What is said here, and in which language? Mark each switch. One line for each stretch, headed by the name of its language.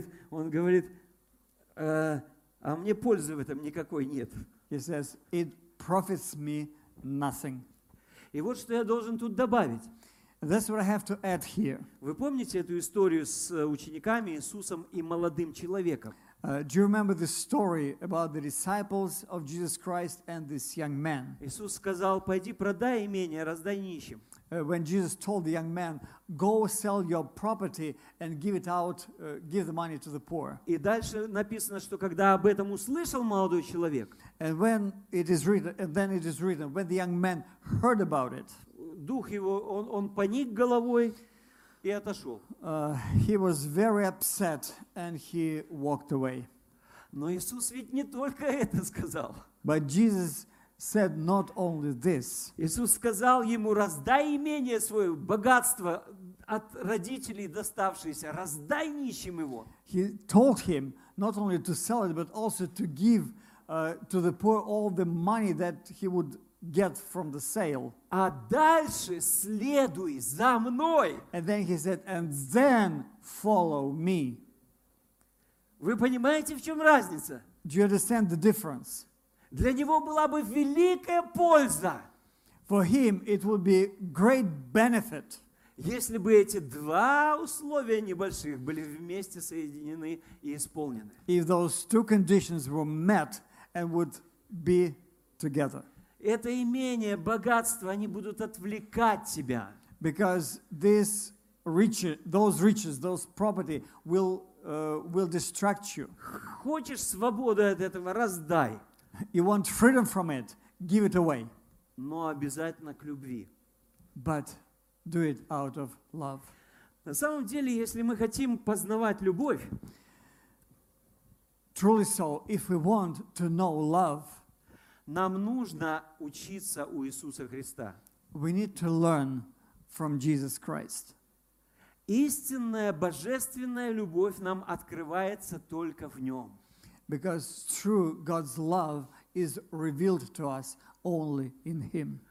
Russian: Он говорит, а мне пользы в этом никакой нет.
English: He says, it profits me nothing.
Russian: И вот что я должен тут добавить.
English: That's what I have to add here.
Russian: Вы помните эту историю с учениками Иисусом и молодым человеком?
English: Do you remember the story about the disciples of Jesus Christ and this young man?
Russian: Иисус сказал, пойди продай имение, раздай нищим.
English: When Jesus told the young man, go sell your property and give it out, give the money to the poor.
Russian: И дальше написано, что когда об этом услышал молодой человек,
English: and then it is written, when the young man heard about it,
Russian: дух его, он поник головой и отошел.
English: He was very upset and he walked away.
Russian: Но Иисус ведь не только это сказал.
English: But Jesus said not only this.
Russian: Иисус сказал ему, раздай имение свое, богатство от родителей доставшееся, раздай нищим его.
English: He told him not only to sell it, but also to give to the poor all the money that he would get from the sale.
Russian: А дальше следуй за мной.
English: And then he said, and then follow me.
Russian: Вы понимаете, в чем разница?
English: Do you understand the difference?
Russian: Для него была бы великая польза.
English: For him it would be great benefit.
Russian: Если бы эти два условия небольших были вместе соединены и исполнены.
English: If those two conditions were met and would be together.
Russian: Это имение, богатство, они будут отвлекать тебя.
English: Because this those riches, those property will distract you.
Russian: Хочешь свободу от этого, раздай.
English: You want freedom from it, give it away.
Russian: Но обязательно к любви.
English: But do it out of love.
Russian: На самом деле, если мы хотим познавать любовь,
English: truly so, if we want to know love,
Russian: Нам нужно учиться у Иисуса Христа.
English: We need to learn from Jesus Christ.
Russian: Истинная божественная любовь нам открывается только в Нем.
English: Because true God's love is revealed to us only in Him.